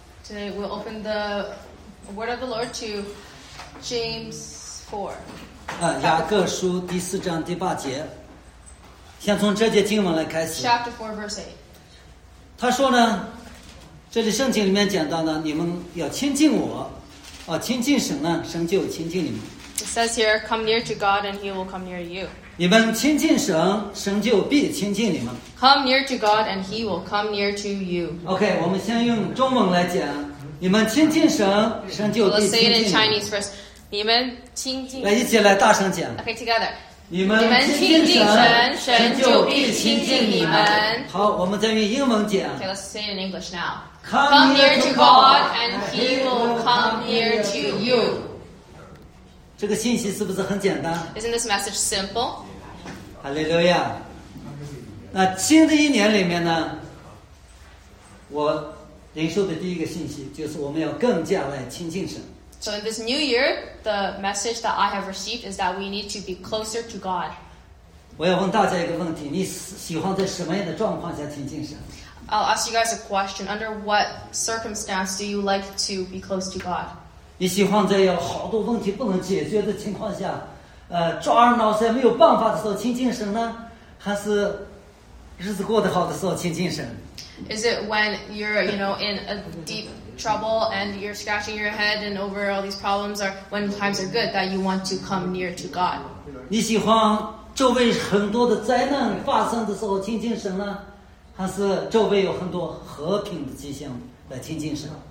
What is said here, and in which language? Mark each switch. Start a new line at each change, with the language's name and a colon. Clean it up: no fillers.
English: Today we open the word of the Lord to James 4.
Chinese: 雅各书第四章第八节，先从这节经文来开始。
English: Chapter 4, verse 8.
Chinese: 他说呢，这里圣经里面讲到呢，你们要亲近我，亲近神呢，神就亲近你们。
English: It says here, come near to God and he will come near you.
Chinese: 你们亲近神，神就必亲近你们。
English: Come near to God and he will come near to you.
Chinese: Okay, 我们先用中文来讲。你们亲近神，神就必亲近你们。
English: Let's say it in Chinese first.
Chinese: 你们亲近。来，一起来大声讲。
English: Okay, together.
Chinese: 你们亲近神，神就必亲近你们。好，我们再用英文讲。
English: Okay, let's say it in English now. Come near to God and he will come near to you.
Chinese: 这个信息是不是很简单
English: ？Isn't this message simple？
Chinese: 哈利路亚。那新的一年里面呢，我领受的第一个信息就是我们要更加来亲近神。
English: So in this new year, the message that I have received is that we need to be closer to God.
Chinese: 我要问大家一个问题：你喜欢在什么样的状况下亲近神
English: ？I'll ask you guys a question. Under what circumstance do you like to be close to God？
Chinese: 你喜欢在有好多问题不能解决的情况下，抓耳挠腮没有办法的时候亲近神呢，还是日子过得好的时候亲近神
English: ？Is it when you're, you know, in a deep trouble and you're scratching your head and over all these problems, or when times are good that you want to come near to God？
Chinese: 你喜欢周围很多的灾难发生的时候亲近神呢，还是周围有很多和平的迹象来亲近神